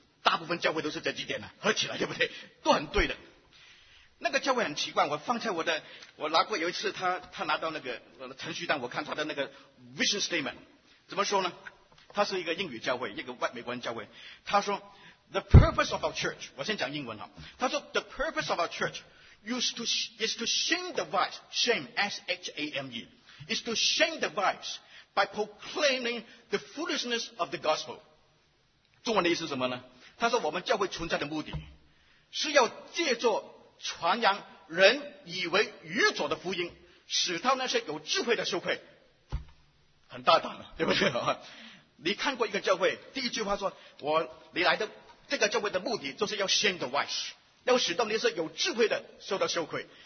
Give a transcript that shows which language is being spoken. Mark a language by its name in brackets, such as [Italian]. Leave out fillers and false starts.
[Chinese] 大部分教会都是这几点的、啊、合起来，对不对？都很对的。那个教会很奇怪，我放在我的，我拿过有一次他拿到那个程序单，我看他的那个 vision statement 怎么说呢？他是一个英语教会，一个外美国人教会。他说 ， [English] the purpose of our church， [Chinese] 我先讲英文哈。他说 [English] ，the purpose of our church is to shame the vice， shame s h a m e， is to shame the vice by proclaiming the foolishness of the gospel。 [Chinese] 中文的意思是什么呢？他说我们教会存在的目的是要借助传扬人以为愚拙的福音，使到那些有智慧的羞愧。很大胆了，对不对？你看过一个教会第一句话说，我你来的这个教会的目的就是要 [English] shame the wise， [Chinese] 要使到那些有智慧的受到羞愧。